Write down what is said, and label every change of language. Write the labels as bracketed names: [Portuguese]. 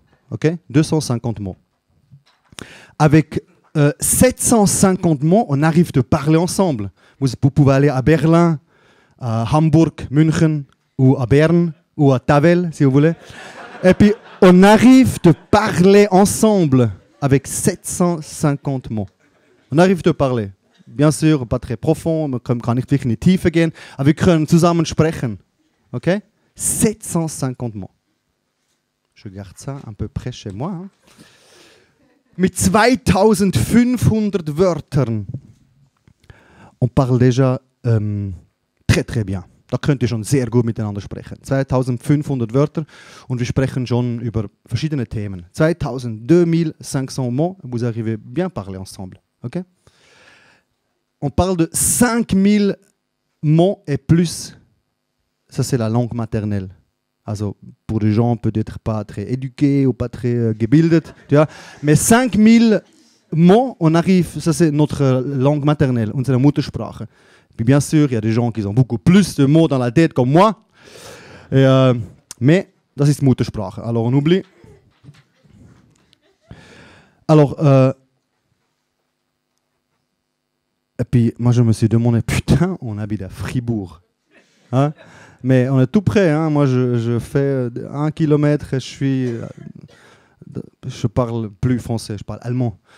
[French] OK, 250 mots. Avec 750 mots, on arrive de parler ensemble. Vous pouvez aller à Berlin, à Hambourg, München, ou à Berne, ou à Tavel, si vous voulez. Et puis, on arrive de parler ensemble avec 750 mots. On arrive de parler. Bien sûr, pas très profond, mais comme quand [German] ich wirklich in die Tiefe gehen, aber wir können zusammen sprechen. [French] OK, 750 mots. Je garde ça un peu près chez moi. [German] Mit 2500 Wörtern, [French] on parle déjà très très bien. [German] Da könnt ihr schon sehr gut miteinander sprechen. 2500 Wörter und wir sprechen schon über verschiedene Themen. [French] 2500 mots, vous arrivez bien parler ensemble. Okay? On parle de 5000 mots et plus. Ça, c'est la langue maternelle. Also, pour des gens peut-être pas très éduqués ou pas très gebildet, tu vois. Mais 5000 mots, on arrive, ça c'est notre langue maternelle, [German] unsere Muttersprache. [French] Puis bien sûr, il y a des gens qui ont beaucoup plus de mots dans la tête, comme moi. [German] Et, mais, das ist Muttersprache. [French] Alors, on oublie. Alors, et puis, moi je me suis demandé, putain, on habite à Fribourg. Hein? Mais on est tout près, hein. Moi je fais un kilomètre et je parle plus français, je parle allemand.